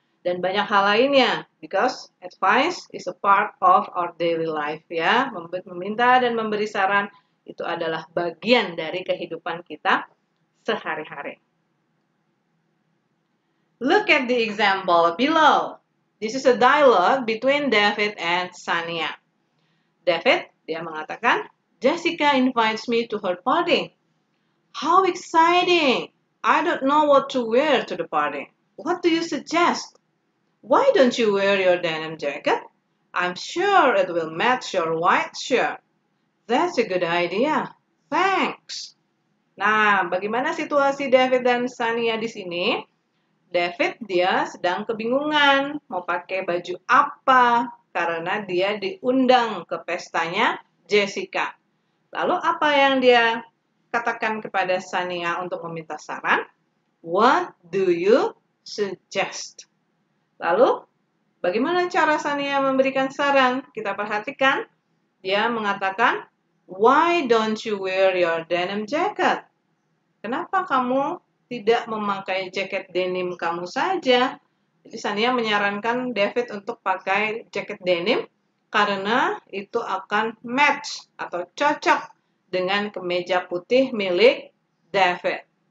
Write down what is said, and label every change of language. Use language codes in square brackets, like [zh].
[id] Dan banyak hal lainnya, [en] because advice is a part of our daily life. [id] Ya. Meminta dan memberi saran itu adalah bagian dari kehidupan kita sehari-hari. [en] Look at the example below. This is a dialogue between David and Sania. David, [id] dia mengatakan, [en] Jessica invites me to her party. How exciting! I don't know what to wear to the party. What do you suggest? Why don't you wear your denim jacket? I'm sure it will match your white shirt. That's a good idea. Thanks. [id] Nah, bagaimana situasi David dan Sania di sini? David, dia sedang kebingungan mau pakai baju apa karena dia diundang ke pestanya Jessica. Lalu apa yang dia katakan kepada Sania untuk meminta saran? [en] What do you suggest? [id] Lalu, bagaimana cara Sania memberikan saran? Kita perhatikan, dia mengatakan, [en] why don't you wear your denim jacket? [id] Kenapa kamu tidak memakai jaket denim kamu saja? Jadi Sania menyarankan David untuk pakai jaket denim karena itu akan match atau cocok dengan kemeja putih milik David.